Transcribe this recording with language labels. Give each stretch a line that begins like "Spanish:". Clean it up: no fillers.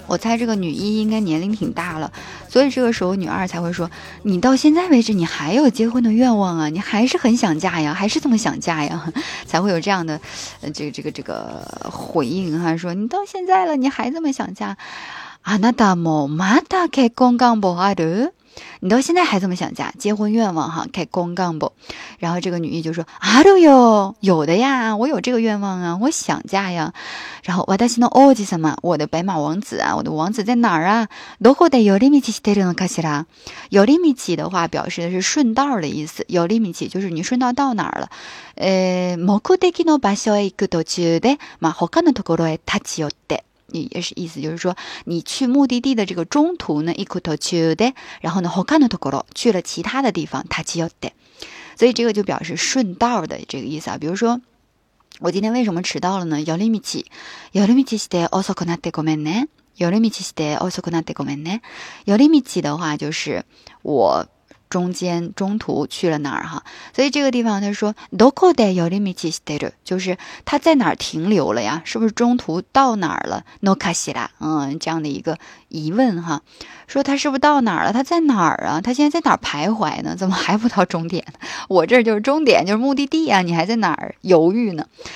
Chinese: 我猜这个女一应该年龄挺大了，所以这个时候女二才会说，你到现在为止你还有结婚的愿望啊，你还是很想嫁呀，还是这么想嫁呀，才会有这样的这个回应哈，说你到现在了你还这么想嫁，
Japanese: あなたもまだ結婚願望ある？
Chinese: 你到现在还这么想嫁，结婚愿望哈，开公干不？然后这个女一就说，
Japanese: あるよ，
Chinese: 有的呀，我有这个愿望啊，我想嫁呀。然后
Japanese: 私の王子様，
Chinese: 我的白马王子啊，我的王子在哪儿啊？
Japanese: どこで寄り道してるのかしら？
Chinese: 寄り道的话表示的是顺道的意思，寄り道就是你顺道到哪儿了。
Japanese: 目的の場所へ行く途中で、まあ他のところへ立ち寄って。
Chinese: 也是意思就是说，你去目的地的这个中途呢，
Japanese: 行く途中で，
Chinese: 然后呢，他のところ去了其他的地方，立ち寄って，所以这个就表示顺道的这个意思啊。比如说，我今天为什么迟到了呢？
Japanese: 寄り道、寄り道して遅くなってごめんね。寄り道して遅くなってごめんね。
Chinese: 寄り道的话就是我中间中途去了哪儿哈，所以这个地方他说
Japanese: どこで寄り道してる，
Chinese: 就是他在哪儿停留了呀，是不是中途到哪儿了，
Japanese: のかしら，
Chinese: 这样的一个疑问哈，说他是不是到哪儿了，他在哪儿啊，他现在在哪儿徘徊呢，怎么还不到终点，我这就是终点，就是目的地啊，你还在哪儿犹豫呢，